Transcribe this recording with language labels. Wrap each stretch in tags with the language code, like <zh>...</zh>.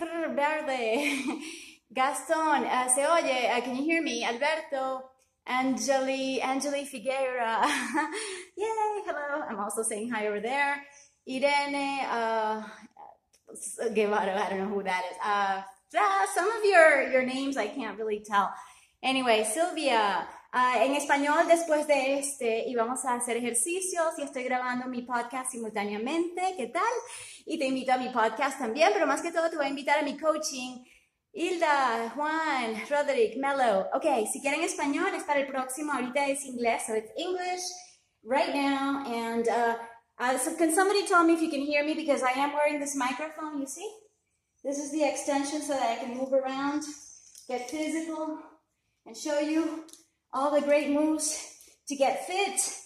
<en>Verde, Gaston,</en> <es>se oye,</es> <en>can you hear me? Alberto, Angeli Figueira, yay, hello, I'm also saying hi over there. Irene, Guevara, I don't know who that is. Some of your names I can't really tell.</en> <es>Anyway, Silvia, en español después de este, y vamos a hacer ejercicios, y estoy grabando mi podcast simultáneamente, ¿qué tal? Y te invito a mi podcast también, pero más que todo te voy a invitar a mi coaching. Hilda, Juan, Roderick, Melo. Okay, si quieren español, es para el próximo. Ahorita es inglés,</es> <en>so it's English right now. And so can somebody tell me if you can hear me? Because I am wearing this microphone, you see? This is the extension so that I can move around, get physical, and show you all the great moves to get fit.</en>